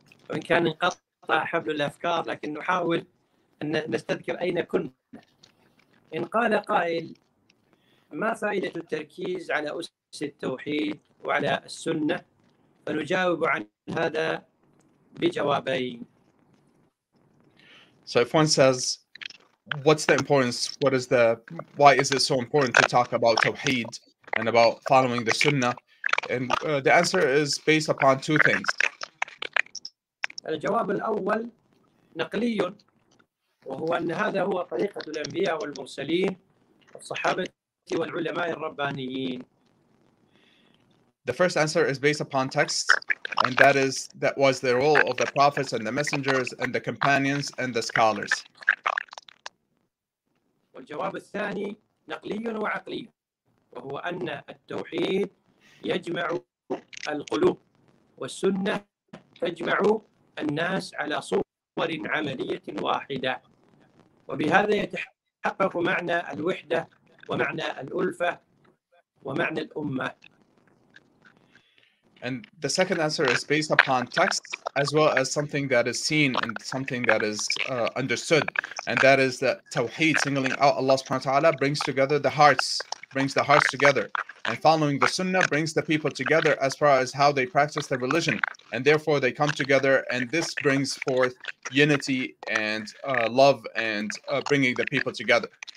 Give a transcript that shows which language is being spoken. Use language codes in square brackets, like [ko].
[ar] وإن كان انقطع حبل الأفكار لكن نحاول أن نستذكر أين كنا. إن قال قائل: ما فائدة التركيز على أسس التوحيد وعلى السنة؟ فنجاوب عن هذا بجوابين. [en] So if one says, what's the importance? What is the, why is it so important to talk about tawheed and about following the sunnah? And the answer is based upon two things. [ar] الجواب الأول نقلي، وهو أن هذا هو طريقة الأنبياء والمرسلين والصحابة والعلماء الربانيين. [en] The first answer is based upon text, and that is that was the role of the prophets and the messengers and the companions and the scholars. [ar] والجواب الثاني نقلي وعقلي، وهو أن التوحيد يجمع القلوب والسنة تجمع الناس على صور عملية واحدة، وبهذا يتحقق معنى الوحدة ومعنى الألفة ومعنى الأمة. [en] And the second answer is based upon text as well as something that is seen and something that is understood, and that is that tawheed, singling out Allah subhanahu wa ta'ala, brings together the hearts, brings the hearts together, and following the sunnah brings the people together as far as how they practice their religion, and therefore they come together, and this brings forth unity and love and bringing the people together.